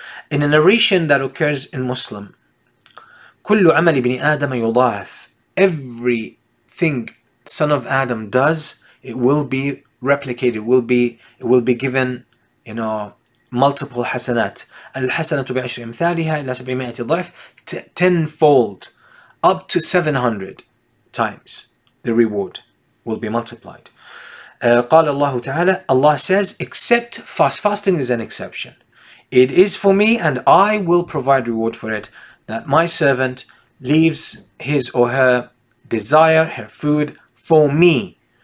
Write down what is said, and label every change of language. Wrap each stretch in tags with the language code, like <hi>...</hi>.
<en>In a narration that occurs in Muslim,</en> <ar>كل عمل ابن آدم يضاعف,</ar> <en>everything son of Adam does, it will be replicated, it will be given, multiple حسنات.</en> <ar>الحسنة بعشر أمثالها إلى 700 ضعف,</ar> <en>tenfold, up to 700 times. the reward will be multiplied.</en> <ar>قال الله تعالى,</ar> <en>Allah says, except fast. Fasting is an exception. It is for me and I will provide reward for it, that my servant leaves his or her desire, her food, for me.</en>